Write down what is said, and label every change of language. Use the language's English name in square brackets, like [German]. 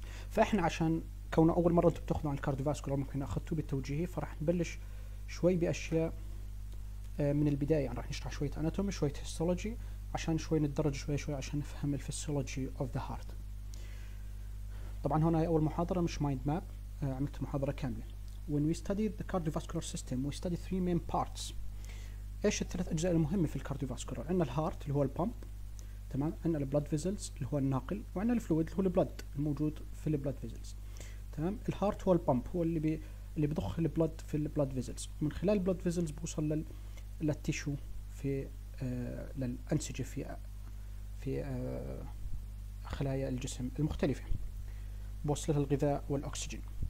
[Arabic] فإحنا عشان كونه أول مرة أنتم بتاخذوا عن الكارديوفاسكولار ممكن أخذتوا بالتوجيهي، فراح نبلش شوي بأشياء من البداية، يعني راح نشرح شوية أناتومي شوية هيستولوجي عشان شوي نتدرج شوي شوي عشان نفهم [English] الفيسيولوجي of the heart. [Arabic] طبعا هنا هي أول محاضرة مش مايند ماب، عملت محاضرة كاملة. [English] When we studied the cardiovascular system we studied three main parts. [Arabic] إيش الثلاث أجزاء المهمة في الكارديوفاسكولار؟ عندنا الهارت اللي هو البامب، تمام، عندنا البلود فيزلز اللي هو الناقل، وعندنا الفلويد اللي هو البلود الموجود في البلود فيزلز. تمام، الهارت هو البامب، هو اللي بيضخ البلود في البلود فيزلز، ومن خلال البلود فيزلز بوصل للتيشو في للأنسجة في خلايا الجسم المختلفة، بوصل لها الغذاء والأكسجين.